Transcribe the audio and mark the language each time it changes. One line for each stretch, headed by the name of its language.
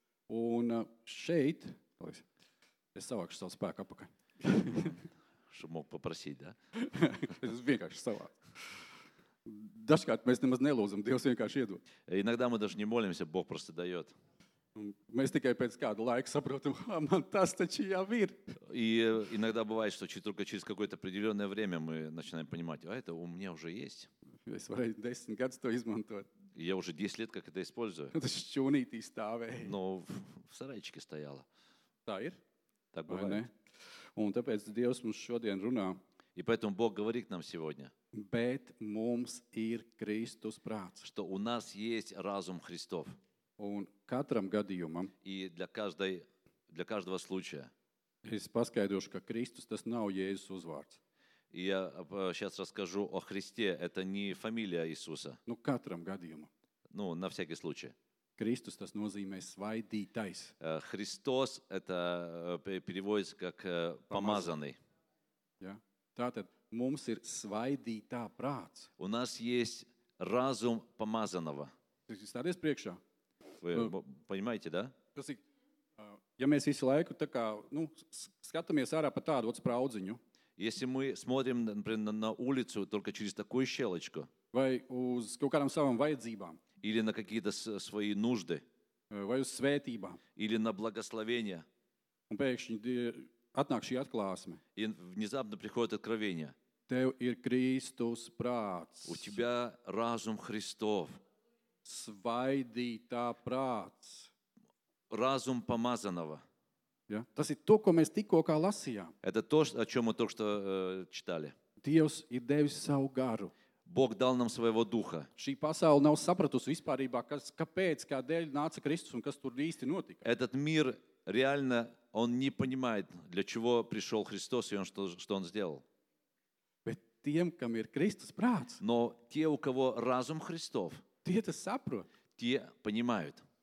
Latvian: Un šeit, es savākšu savu spēku apakaļ.
Russian: Чтобы мог попросить, да?
Latvian: Es vienkārši savāku. Dažkārt mēs nemaz nelūzam, Dievs vienkārši iedod.
Russian: Иногда мы даже не молимся, Бог просто даёт.
Latvian: Mēs tikai pēc kādu laiku saprotam, man tas taču jau ir.
Russian: И иногда бывает, что только через какое-то определённое время мы начинаем понимать, а это у меня уже есть.
Latvian: Es varēju 10 gadus to izmantot.
Russian: Я уже 10 лет как это использую.
Latvian: Tas šķūnītī stāvēja.
Russian: Но в сарайчике стояло.
Latvian: Tā ir?
Russian: Так бывает. Ne?
Latvian: Un tāpēc Dievs mums šodien runā.
Russian: И поэтому Бог говорит нам сегодня.
Latvian: Bet mums ir Kristus prāts.
Russian: Что у нас есть разум Христов.
Latvian: Un katram gadījumam.
Russian: И для каждого случая.
Latvian: Es paskaidrošu, ka Kristus tas nav Jēzus uzvārds.
Russian: Я сейчас расскажу о Христе. Это не фамилия Иисуса.
Latvian: Nu, katram gadījumam.
Russian: Ну, на всякий случай.
Latvian: Kristus tas nozīmē svaidītais.
Russian: Христос это переводится как помазанный.
Latvian: Ja? Tātad. Mums ir svaidītā prāts.
Russian: У нас есть разум помазанного.
Latvian: Stāties priekšā. Vai,
Russian: понимаете, да?
Latvian: Tas ir, ja mēs visu laiku tā kā, nu, skatāmies ārā pa tādu spraudziņu.
Russian: Если мы смотрим, например, на улицу только через такую щелочку.
Latvian: Vai uz kaut kādām savām vajadzībām.
Russian: Или на какие-то свои нужды.
Latvian: Vai uz svētībām.
Russian: Или на благословения.
Latvian: Un pēkšņi atnāk šī atklāsme.
Russian: И внезапно приходит откровение.
Latvian: Tev ir Kristus prāts.
Russian: У тебя разум Христов.
Latvian: Svaidītā prāts.
Russian: Разум помазанного.
Latvian: Ja? Tas ir to, ko mēs tikko kā lasījām.
Russian: Это то, о чём мы только что читали.
Latvian: Dievs ir devis savu garu.
Russian: Бог дал нам своего духа.
Latvian: Šī pasaule nav sapratusi vispārībā, kāpēc, kādēļ nāca Kristus un kas tur īsti notika.
Russian: Этот мир реально Он не понимает, для чего пришел Христос и он, что он сделал.
Latvian: Bet tiem, kam ir Kristus prāts,
Russian: Но те, у кого разум Христов, те понимают.